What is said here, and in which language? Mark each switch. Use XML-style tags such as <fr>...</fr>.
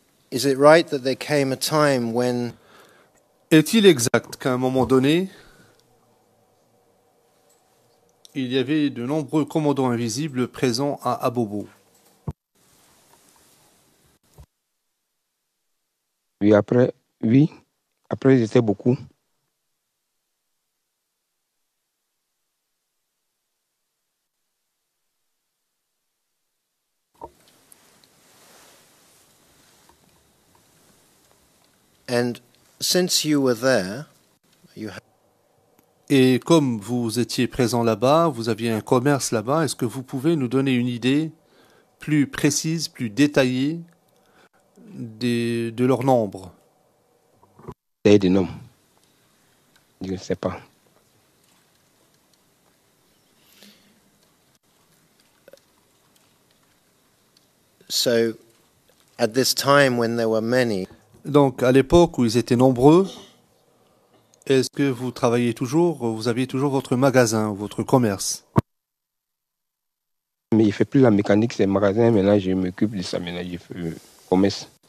<en>Is it right that there came a time when...</en> <fr>Est-il exact qu'à un moment donné, il y avait de nombreux commandos invisibles présents à Abobo? Oui, après ils étaient beaucoup.</fr> <en>And since you were there, you have...</en> <fr>Et comme vous étiez présent là-bas, vous aviez un commerce là-bas, est-ce que vous pouvez nous donner une idée plus précise, plus détaillée de leur nombre? C'est des noms. Je ne sais pas.</fr> <en>So, at this time when there were many...</en> <fr>Donc, à l'époque où ils étaient nombreux, est-ce que vous travaillez toujours, vous aviez toujours votre magasin, votre commerce? Mais il ne fait plus la mécanique, c'est le magasin, maintenant je m'occupe de ça, maintenant je fais le commerce.</fr>